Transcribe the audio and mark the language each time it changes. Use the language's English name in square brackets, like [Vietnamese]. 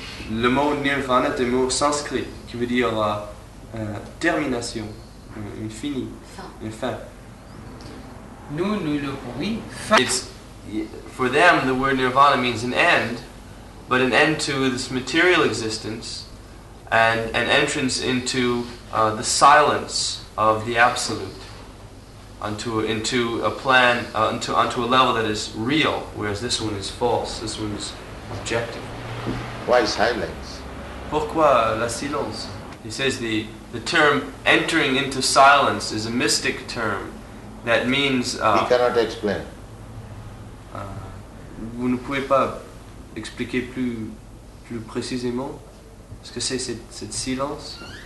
[French] Le mot nirvana est un mot sanskrit qui veut dire termination, une fini, une fin. Nous le oui. [English] For them, the word nirvana means an end, but an end to this material existence and an entrance into the silence of the absolute, onto a level that is real, whereas this one is false, this one is objective. Why silence? [French] Pourquoi la silence? [English] He says the term entering into silence is a mystic term that means... He cannot explain. [French] Vous ne pouvez pas expliquer plus précisément ce que c'est cette silence.